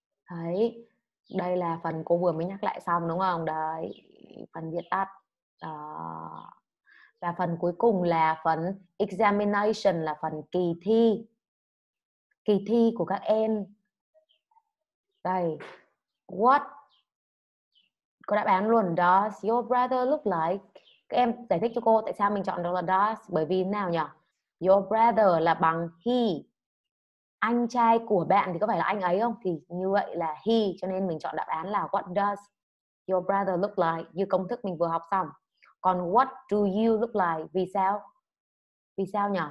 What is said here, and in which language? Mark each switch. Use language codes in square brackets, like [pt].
[vi] Đấy. Đây là phần cô vừa mới nhắc lại xong đúng không? Đấy. Phần viết tắt. Đó. Và phần cuối cùng là phần examination, là phần kỳ thi. Kỳ thi của các em. Đây. [en] What [vi] cô đã bán luôn, [en] does your brother look like? [vi] Các em giải thích cho cô tại sao mình chọn đó là does. Bởi vì nào nhỉ? Your brother là bằng he. Anh trai của bạn thì có phải là anh ấy không? Thì như vậy là he. Cho nên mình chọn đáp án là [en] what does your brother look like? [vi] Như công thức mình vừa học xong. Còn [en] what do you look like? [vi] Vì sao? Vì sao nhỉ?